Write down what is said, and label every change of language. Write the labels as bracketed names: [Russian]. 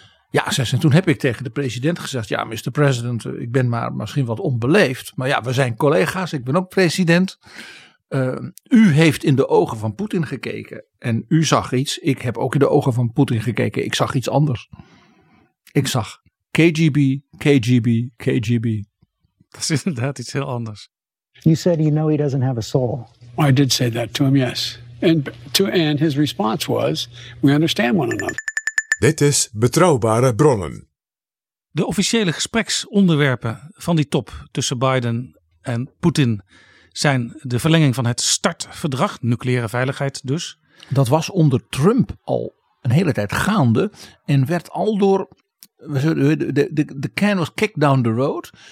[Dutch] Ja, zei ze, en toen heb ik tegen de president gezegd, ja, Mr. President, ik ben maar misschien wat onbeleefd, maar ja, we zijn collega's, ik ben ook president. U heeft in de ogen van Poetin gekeken en u zag iets, ik heb ook in de ogen van Poetin gekeken, ik zag iets anders. Ik zag KGB, KGB, KGB. Dat is inderdaad iets heel anders. [English] You said you know he doesn't have a soul. I did say that to him, yes. And his response was, we understand one another. [Dutch] Dit is Betrouwbare Bronnen. De officiële gespreksonderwerpen van die top tussen Biden en Poetin zijn de verlenging van het START-verdrag, nucleaire veiligheid dus. Dat was onder Trump al een hele tijd gaande en werd al door, de [English] can was kicked down the road.